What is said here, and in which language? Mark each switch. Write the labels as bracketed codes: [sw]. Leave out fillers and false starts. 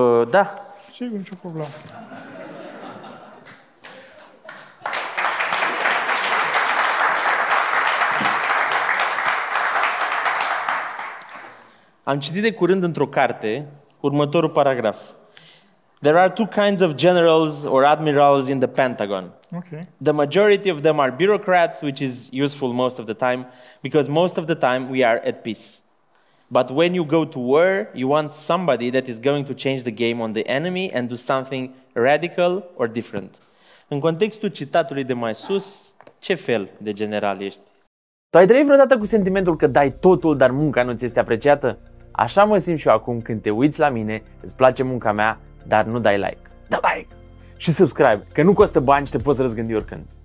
[ro] Da. Sigur, nicio problemă. Am citit de curând într-o carte următorul paragraf. [en] There are two kinds of generals or admirals in the Pentagon. Okay. The majority of them are bureaucrats, which is useful most of the time, because most of the time we are at peace. But when you go to war, you want somebody that is going to change the game on the enemy and do something radical or different. [ro] În contextul citatului de mai sus, ce fel de general ești? Tu ai trăit vreodată cu sentimentul că dai totul, dar munca nu ți este apreciată? Așa mă simt și eu acum când te uiți la mine, îți place munca mea, dar nu dai like. Dă like și subscribe, că nu costă bani și te poți răzgândi oricând.